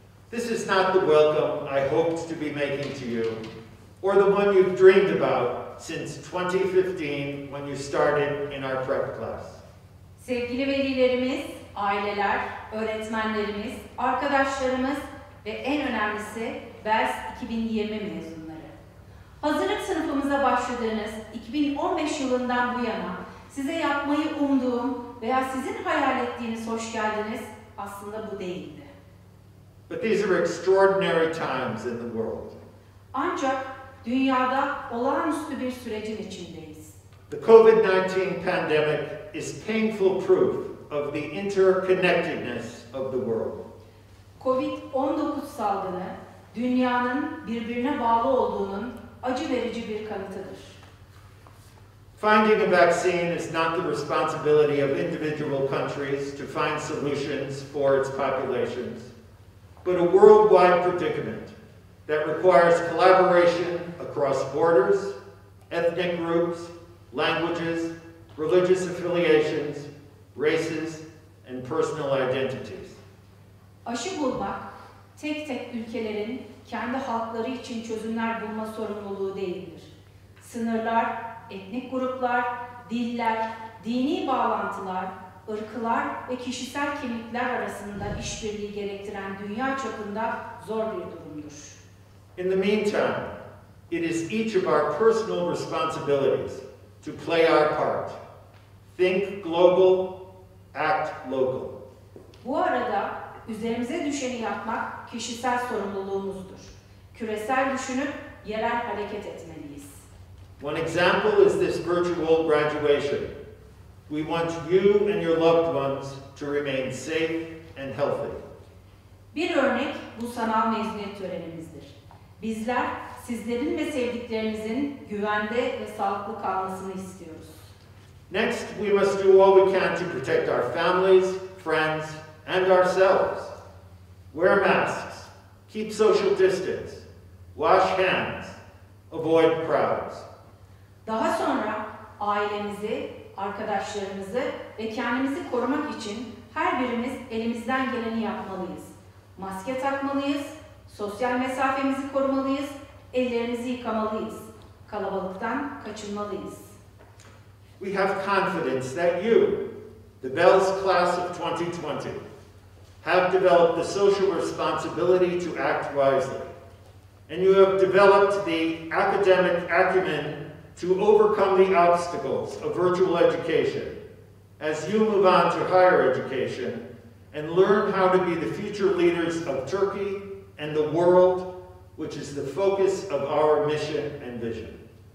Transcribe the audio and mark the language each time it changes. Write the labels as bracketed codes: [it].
[en] This is not the welcome I hoped to be making to you, or the one you've dreamed about since 2015 when you started in our prep class. [tr] Sevgili velilerimiz, aileler, öğretmenlerimiz, arkadaşlarımız ve en önemlisi BELS 2020 mezunları. Hazırlık sınıfımıza başladığınız 2015 yılından bu yana size yapmayı umduğum veya sizin hayal ettiğiniz hoş geldiniz aslında bu değildi. [en] But these are extraordinary times in the world. [tr] Ancak dünyada olağanüstü bir sürecin içindeyiz. [en] The COVID-19 pandemic is painful proof of the interconnectedness of the world. [tr] COVID-19 salgını dünyanın birbirine bağlı olduğunun acı verici bir kanıtıdır. [en] Finding a vaccine is not the responsibility of individual countries to find solutions for its populations, but a worldwide predicament that requires collaboration across borders, ethnic groups, languages, religious affiliations, races, and personal identities. [tr] Aşı bulmak, tek tek ülkelerin kendi halkları için çözümler bulma sorumluluğu değildir. Sınırlar, etnik gruplar, diller, dini bağlantılar, ırklar ve kişisel kimlikler arasında işbirliği gerektiren dünya çapında zor bir durumdur. [en] In the meantime, it is each of our personal responsibilities to play our part. Think global, act local. [tr] Bu arada üzerimize düşeni yapmak kişisel sorumluluğumuzdur. Küresel düşünüp yerel hareket etmeliyiz. [en] One example is this virtual graduation. We want you and your loved ones to remain safe and healthy. [tr] Bir örnek bu sanal mezuniyet törenimizdir. Bizler sizlerin ve sevdiklerinizin güvende ve sağlıklı kalmasını istiyoruz. [en] Next, we must do all we can to protect our families, friends, and ourselves. Wear masks, keep social distance, wash hands, avoid crowds. [tr] Daha sonra ailemizi, arkadaşlarımızı ve kendimizi korumak için her birimiz elimizden geleni yapmalıyız. Maske takmalıyız, sosyal mesafemizi korumalıyız, ellerimizi yıkamalıyız, kalabalıktan kaçınmalıyız. [en] We have confidence that you, the BELS class of 2020, have developed the social responsibility to act wisely. And you have developed the academic acumen to overcome the obstacles of virtual education as you move on to higher education and learn how to be the future leaders of Turkey and the world, which is the focus of our mission and vision.